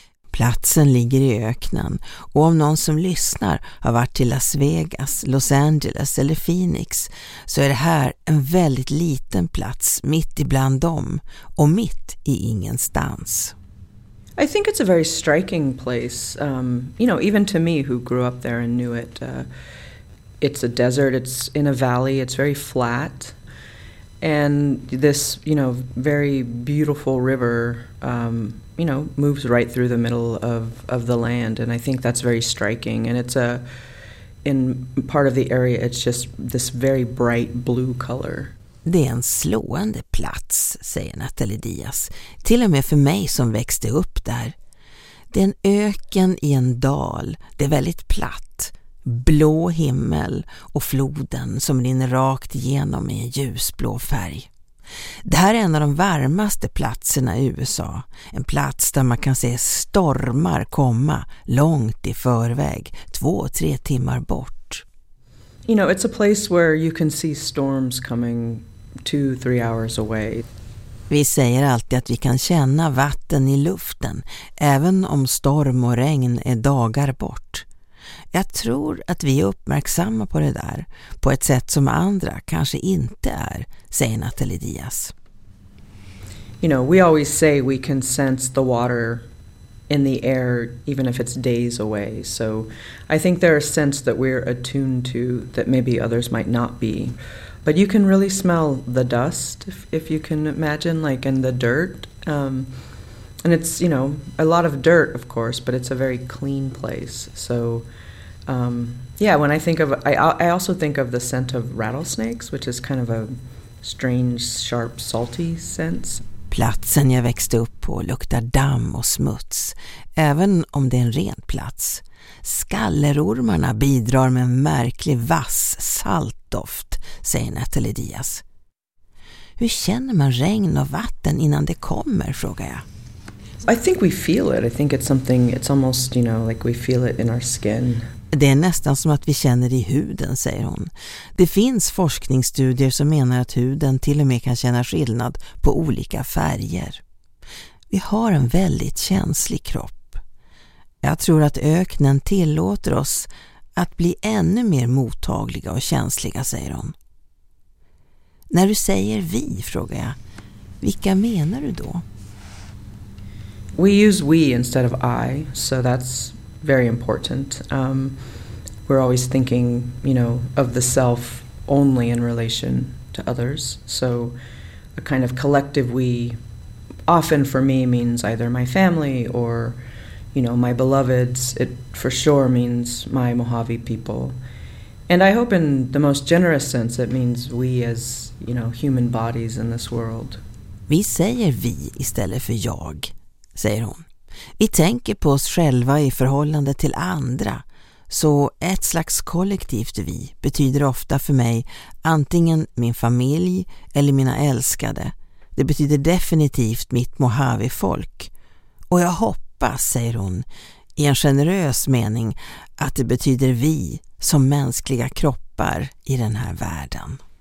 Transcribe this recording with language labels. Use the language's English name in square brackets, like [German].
[Swedish] Platsen ligger i öknen, och om någon som lyssnar har varit till Las Vegas, Los Angeles eller Phoenix, så är det här en väldigt liten plats mitt ibland dem och mitt i ingenstans. [English] I think it's a very striking place. You know, even to me who grew up there and knew it, it's a desert, it's in a valley, it's very flat. And this, you know, very beautiful river, you know, moves right through the middle of the land, and I think that's very striking. And it's in part of the area, it's just this very bright blue color. [Swedish] Det är en slående plats, säger Natalie Diaz, till och med för mig som växte upp där. Det är en öken i en dal, det är väldigt platt. Blå himmel och floden som rinner rakt igenom i en ljusblå färg. Det här är en av de varmaste platserna i USA. En plats där man kan se stormar komma långt i förväg, 2-3 timmar bort. [English] You know, it's a place where you can see storms coming 2-3 hours away. [Swedish] Vi säger alltid att vi kan känna vatten i luften, även om storm och regn är dagar bort. Jag tror att vi är uppmärksamma på det där på ett sätt som andra kanske inte är, säger Natalie Diaz. [English] You know, we always say we can sense the water in the air even if it's days away. So I think there are scents that we're attuned to that maybe others might not be. But you can really smell the dust if you can imagine, like in the dirt. And it's, you know, a lot of dirt, of course, but it's a very clean place. So, yeah, when I think of, I also think of the scent of rattlesnakes, which is kind of a strange, sharp, salty scent. [Swedish] Platsen jag växte upp på luktar damm och smuts, även om det är en ren plats. Skallerormarna bidrar med en märklig vass saltdoft, säger Natalie Diaz. Hur känner man regn och vatten innan det kommer, frågar jag. [English] I think we feel it. I think it's something, it's almost, you know, like we feel it in our skin. [Swedish] Det är nästan som att vi känner i huden, säger hon. Det finns forskningsstudier som menar att huden till och med kan känna skillnad på olika färger. Vi har en väldigt känslig kropp. Jag tror att öknen tillåter oss att bli ännu mer mottagliga och känsliga, säger hon. När du säger vi, frågar jag, vilka menar du då? [English] We use we instead of I, so that's very important. We're always thinking, you know, of the self only in relation to others. So a kind of collective we often for me means either my family or, you know, my beloveds. It for sure means my Mojave people. And I hope in the most generous sense it means we as, you know, human bodies in this world. [Swedish] Vi säger vi istället för jag, säger hon. Vi tänker på oss själva i förhållande till andra, så ett slags kollektivt vi betyder ofta för mig antingen min familj eller mina älskade. Det betyder definitivt mitt Mojave-folk. Och jag hoppas, säger hon, i en generös mening, att det betyder vi som mänskliga kroppar i den här världen.